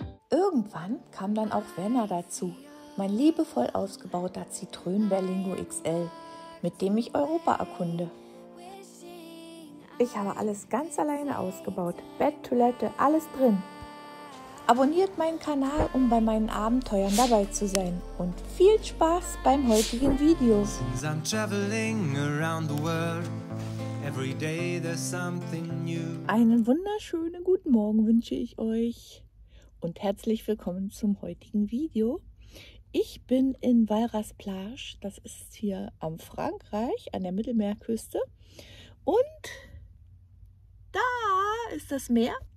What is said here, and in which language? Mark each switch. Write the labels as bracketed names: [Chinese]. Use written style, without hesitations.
[German] Irgendwann kam dann auch Werner dazu, mein liebevoll ausgebauter Zitronen-Berlingo XL, mit dem ich Europa erkunde. Ich habe alles ganz alleine ausgebaut. Bett, Toilette, alles drin. Abonniert meinen Kanal, um bei meinen Abenteuern dabei zu sein. Und viel Spaß beim heutigen Video. [English] Since I'm traveling around the world, every day there's something new. [German] Einen wunderschönen guten Morgen wünsche ich euch. Und herzlich willkommen zum heutigen Video. Ich bin in Valras-Plage. Das ist hier am Frankreich, an der Mittelmeerküste. Und da ist das Meer.